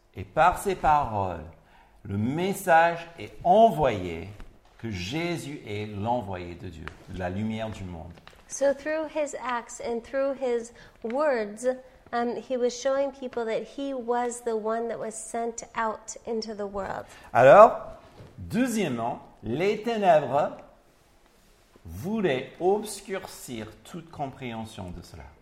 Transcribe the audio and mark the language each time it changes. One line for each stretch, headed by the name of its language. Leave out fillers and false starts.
French: Et par ces paroles, le message est envoyé que Jésus est l'envoyé de Dieu, la lumière du monde.
English: So through his acts and through his words, he was showing people that he was the one that was sent out into the world.
French: Alors, deuxièmement, les ténèbres voulaient obscurcir toute compréhension de cela.